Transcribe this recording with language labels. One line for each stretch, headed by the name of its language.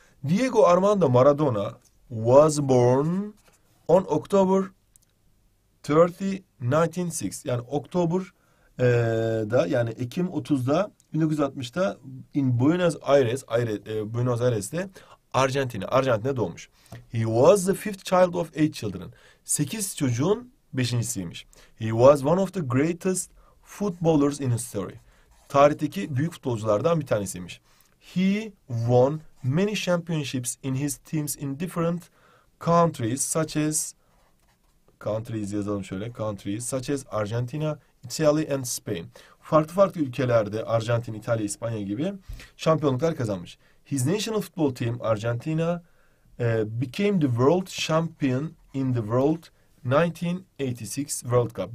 English: Diego Armando Maradona was born on October 30, 1906.
Turkish: Yani October'da yani Ekim 30'da 1960'da in Buenos Aires, Buenos Aires'te Arjantin'e doğmuş.
English: He was the fifth child of eight children.
Turkish: 8 çocuğun beşincisiymiş.
English: He was one of the greatest footballers in history.
Turkish: Tarihteki büyük futbolculardan bir tanesiymiş.
English: He won many championships in his teams in different countries such as countries
Turkish: yazalım şöyle.
English: Countries such as Argentina, Italy and Spain.
Turkish: Farklı farklı ülkelerde Arjantin, İtalya, İspanya gibi şampiyonluklar kazanmış.
English: His national football team Argentina became the world champion in the world 1986 World Cup.